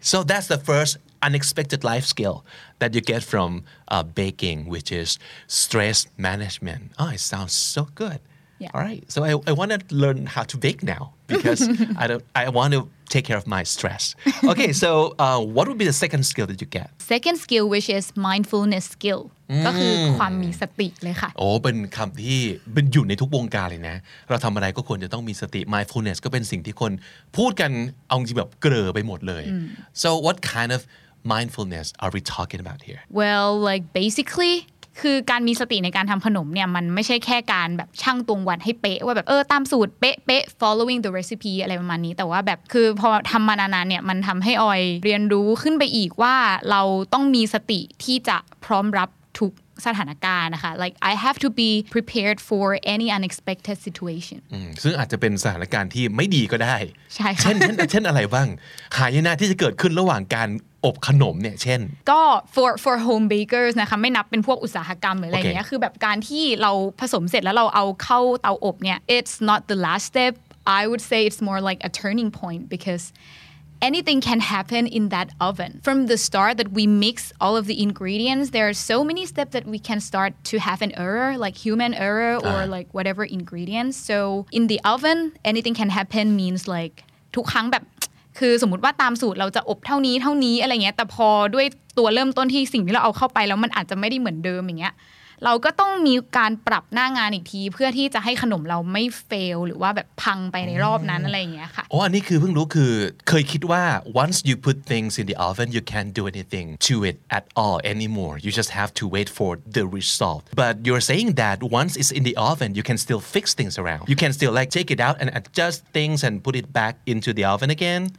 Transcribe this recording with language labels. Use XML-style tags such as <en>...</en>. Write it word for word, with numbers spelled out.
<en>So that's the first unexpected life skill that you get from uh, baking, which is stress management. Oh, it sounds so good. Yeah. All right. So I, I want to learn how to bake now because I don't. I want to take care of my stress. Okay. So uh, what would be the second skill that you get? Second skill, which is mindfulness skill.</en> <th>ก็คือความมีสติเลยค่ะ โอ้เป็นคำที่เป็นอยู่ในทุกวงการเลยนะเราทำอะไรก็ควรจะต้องมีสติ mindfulness ก็เป็นสิ่งที่คนพูดกันเอาจริงแบบเกลอไปหมดเลย</th> <en>So what kind of mindfulness are we talking about here? Well, like basically</en> <th>คือการมีสติในการทำขนมเนี่ยมันไม่ใช่แค่การแบบชั่งตวงวัดให้เป๊ะว่าแบบเออตามสูตรเป๊ะเป๊ะ</th> <en>following the recipe</en> <th>อะไรประมาณนี้แต่ว่าแบบคือพอทำมานานๆเนี่ยมันทำให้ออยเรียนรู้ขึ้นไปอีกว่าเราต้องมีสติที่จะพร้อมรับทุกสถานการณ์นะคะ</th> <en>like I have to be prepared for any unexpected situation</en> <th>ซึ่งอาจจะเป็นสถานการณ์ที่ไม่ดีก็ได้ ใช่ค่ะ เช่นเช่นเช่นอะไรบ้างหายนะที่จะเกิดขึ้นระหว่างการอบขนมเนี่ยเช่น</th> <en>ก็ for for home bakers</en> <th>นะคะไม่นับเป็นพวกอุตสาหกรรมหรืออะไรอย่างเงี้ยคือแบบการที่เราผสมเสร็จแล้วเราเอาเข้าเตาอบเนี่ย</th> <en>it's not the last step I would say it's more like a turning point because anything can happen in that oven. From the start that we mix all of the ingredients, there are so many steps that we can start to have an error, like human error or uh-huh. like whatever ingredients. So in the oven, anything can happen means like</en> <th>ทุกครั้งแบบคือสมมุติว่าตามสูตรเราจะอบเท่านี้เท่านี้อะไรเงี้ยแต่พอด้วยตัวเริ่มต้นที่สิ่งที่เราเอาเข้าไปแล้วมันอาจจะไม่ได้เหมือนเดิมอย่างเงี้ยเราก็ต้องมีการปรับหน้างานอีกทีเพื่อที่จะให้ขนมเราไม่เฟลหรือว่าแบบพังไปในรอบนั้นอะไรอย่างเงี้ยค่ะ อ๋ออันนี้คือเพิ่งรู้คือเคยคิดว่า</th> <en>once you put things in the oven you can't do anything to it at all anymore you just have to wait for the result but you're saying that once it's in the oven you can still fix things around you can still like take it out and adjust things and put it back into the oven again</en>